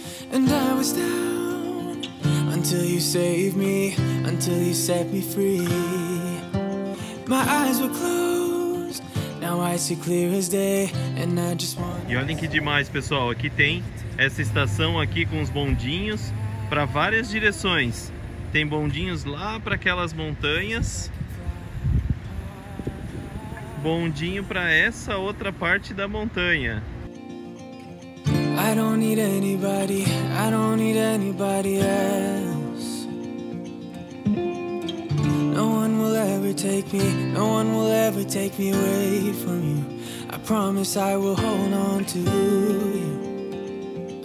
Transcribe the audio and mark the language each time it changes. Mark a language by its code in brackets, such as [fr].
[en] And I was down until you saved me, until you set me free. My eyes were closed, now I see clear as day, and I just want. [pt] E olhem que demais, pessoal, aqui tem essa estação aqui com os bondinhos para várias direções. Tem bondinhos lá para aquelas montanhas. Bondinho para essa outra parte da montanha. [en] I don't need anybody, I don't need anybody else. No one will ever take me, no one will ever take me away from you. I promise I will hold on to you.